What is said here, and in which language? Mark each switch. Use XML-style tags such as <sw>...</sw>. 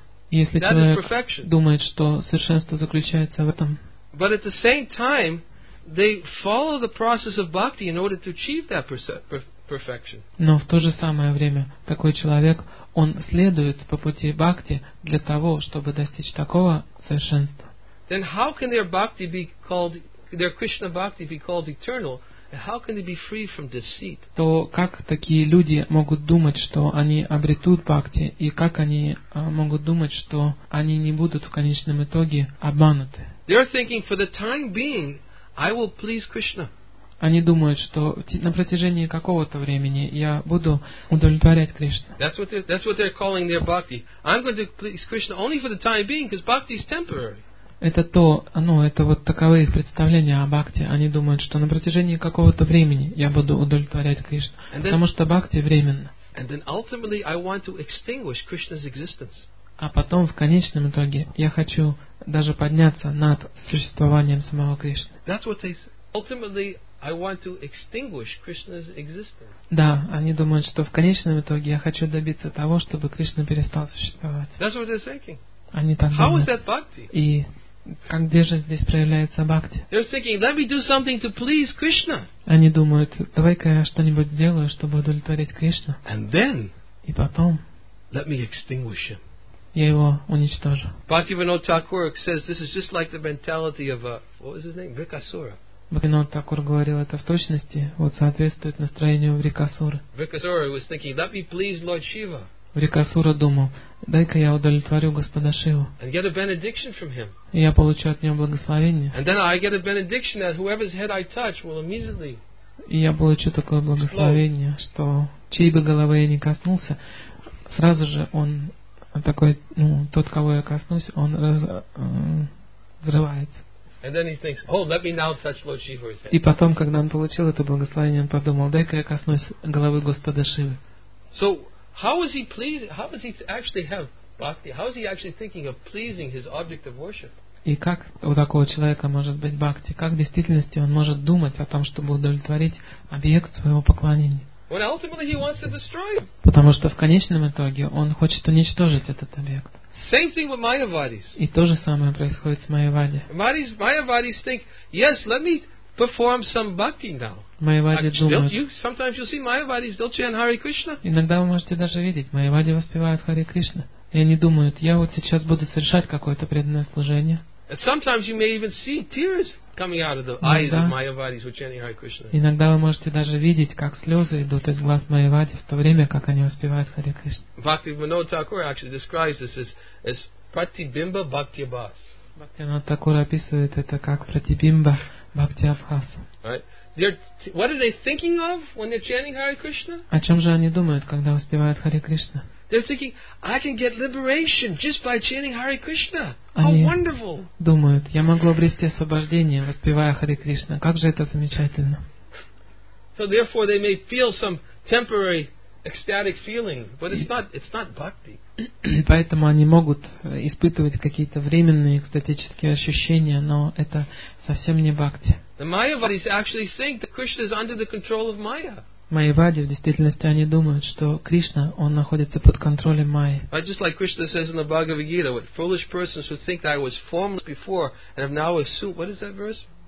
<ru>Если человек думает, что совершенство заключается в этом, но в то же время они следуют процессу бхакти, чтобы достичь этого совершенства. Но в то же самое время такой человек, он следует по пути бхакти для того, чтобы достичь такого совершенства.</ru> <en>Then how can their bhakti be called, their Krishna bhakti be called eternal, and how can they be free from deceit?</en> <ru>То как такие люди могут думать, что они обретут бхакти, и как они могут думать, что они не будут в конечном итоге обмануты?</ru> <en>They're thinking, for the time being, I will please Krishna.</en> <ru>Они думают, что на протяжении какого-то времени я буду удовлетворять Кришну.</ru> <en>That's what they're calling their bhakti. I'm going to please Krishna only for the time being, because bhakti is temporary.</en> <ru>Это то, ну, это вот таковы их представления о бхакти. Они думают, что на протяжении какого-то времени я буду удовлетворять Кришну, потому что бхакти временно.</ru> <en>And then ultimately I want to extinguish Krishna's existence.</en> <ru>А потом, в конечном итоге, я хочу даже подняться над существованием самого Кришны.</ru> <en>That's what they ultimately I want to extinguish Krishna's existence.</en> <ru>Да, они думают, что в конечном итоге я хочу добиться того, чтобы Кришна перестал существовать.</ru> <en>That's what they're thinking.</en> <ru>Они так</ru> <en>How</en> <ru>думают.</ru> <en>Is that bhakti?</en> <ru>И как, где же здесь проявляется бхакти?</ru> <en>They're thinking, let me do something to please Krishna.</en> <ru>Они думают, давай-ка я что-нибудь сделаю, чтобы удовлетворить Кришну.</ru> <en>And then,</en> <ru>и потом,</ru> <en>let me extinguish him.</en> <ru>Я его уничтожу.</ru> <en>Bhaktivinoda Thakur says this is just like the mentality of a, what was his name? Vrikasura.</en> <ru>Бхактивинода Такур говорил это в точности, вот соответствует настроению Врикасуры. Врикасура думал, дай-ка я удовлетворю Господа Шиву. И я получу от него благословение. И я получу такое благословение, что чьей бы головой я ни коснулся, сразу же он такой, ну, тот, кого я коснусь, он взрывается.</ru> <en>And then he thinks, "Oh, let me now touch Lord Shiva's head."</en> <ru>И потом, когда он получил это благословение, он подумал, дай-ка я коснусь головы Господа Шивы.</ru> <en>So, how is he pleased? How does he actually have bhakti? How is he actually thinking of pleasing his object of worship?</en> <ru>И как у такого человека может быть бхакти? Как в действительности он может думать о том, чтобы удовлетворить объект своего поклонения?</ru> <en>When ultimately he wants to destroy him.</en> <ru>Потому что в конечном итоге он хочет уничтожить этот объект.</ru> <en>Same thing with Mayavadis.</en> <ru>И то же самое происходит с майявади.</ru> <en>Mayavadis think, yes, let me perform some bhakti now.</en> <ru>Майявади думают.</ru> <en>Sometimes you'll see Mayavadis, they'll chant Hare Krishna.</en> <ru>Иногда вы можете даже видеть, майявади воспевают Харе Кришна. И они думают, я вот сейчас буду совершать какое-то преданное служение.</ru> <en>And sometimes you may even see tears coming out of the eyes of Mayavadis who chanting Hare Krishna.</en> <ru>Иногда вы можете даже видеть, как слезы идут из глаз майявади в то время, как они воспевают Харе Кришна.</ru> <en>Bhaktivinoda Thakur actually describes this as pratibimba bhakti abhas.</en> <ru>Bhaktivinoda Thakur описывает это как pratibimba bhakti abhas.</ru> <en>What are they thinking of when they're chanting Hare Krishna?</en> <ru>О чем же они думают, когда воспевают Харе Кришна?</ru> <en>They're thinking, I can get liberation just by chanting Hare Krishna. How wonderful!</en> <ru>Думают, я могу обрести освобождение, воспевая Харе Кришна. Как же это замечательно!</ru> <en>So therefore, they may feel some temporary ecstatic feeling, but it's not bhakti.</en> <ru>Поэтому они могут испытывать какие-то временные экстатические ощущения, но это совсем не бхакти.</ru> <en>The Mayavadis actually think that Krishna is under the control of Maya.</en> <ru>Майявади, в действительности, они думают, что Кришна, он находится под контролем Майи.</ru> <en>Just like Krishna says in the Bhagavad Gita, what foolish persons who think that I was formless before and have now assumed, what is that verse?</en>